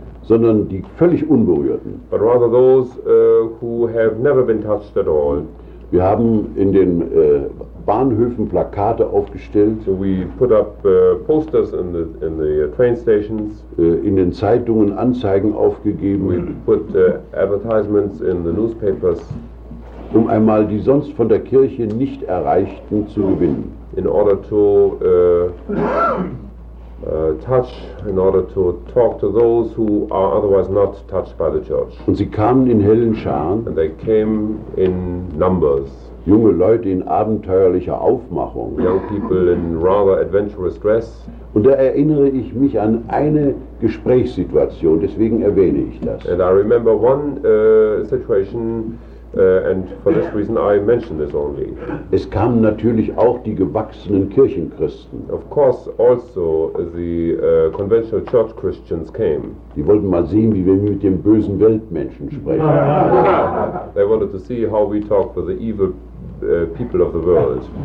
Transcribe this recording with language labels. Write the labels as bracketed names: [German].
[German] sondern die völlig Unberührten. [English] But rather those who have never been touched at all. [German] Wir haben in den Bahnhöfen Plakate aufgestellt. [English] So we put up posters in the train stations. [German] In den Zeitungen Anzeigen aufgegeben. [English] We put advertisements in the newspapers. [German] Um einmal die sonst von der Kirche nicht erreichten zu gewinnen. [English] In order to touch, in order to talk to those who are otherwise not touched by the church. [German] Und sie kamen in hellen Scharen. [English] And they came in numbers. [German] Junge Leute in abenteuerlicher Aufmachung. [English] Young people in rather adventurous dress. [German] Und da erinnere ich mich an eine Gesprächssituation, deswegen erwähne ich das. [English] And I remember one situation, and for this reason I mention this only. [German] Es kamen natürlich auch die gewachsenen Kirchenchristen. [English] Of course also the conventional church Christians came. [German] Die wollten mal sehen, wie wir mit dem bösen Weltmenschen sprechen. [English] They wanted to see how we talk with the evil people of the world.